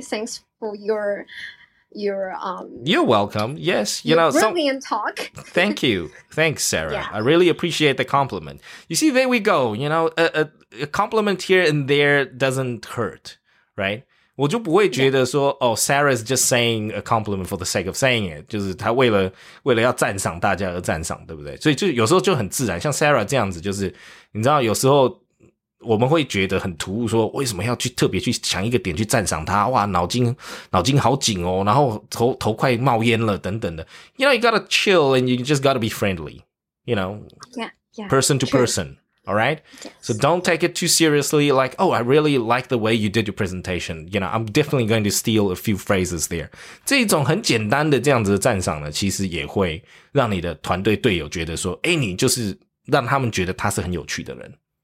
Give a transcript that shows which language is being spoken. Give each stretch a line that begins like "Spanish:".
English: Thanks for your... You're welcome. Yes. You know, brilliant talk. Thank you. Thanks, Sarah. Yeah. I really appreciate the compliment. You see, there we go. You know, a compliment here and there doesn't hurt, right?
Chinese: 我就不会觉得说、
English: yeah. oh, Sarah's just saying a compliment for the sake of saying it.
Chinese: 就是她为了要赞赏大家而赞赏，对不对？所以就有时候就很自然，像 Sarah 这样子，就是你知道有时候我们会觉得很突兀，说为什么要去特别去抢一个点去赞赏他？哇，脑筋好紧哦，然后头快冒烟了等等的。
English: You know, you gotta chill and you just gotta be friendly. You know, yeah, yeah. Person to person, All right? Yes. So don't take it too seriously. Like, oh, I really like the way you did your presentation. You know, I'm definitely going to steal a few phrases there.
Chinese: 这一种很简单的这样子的赞赏呢，其实也会让你的团队队友觉得说，诶，你就是让他们觉得他是很有趣的人。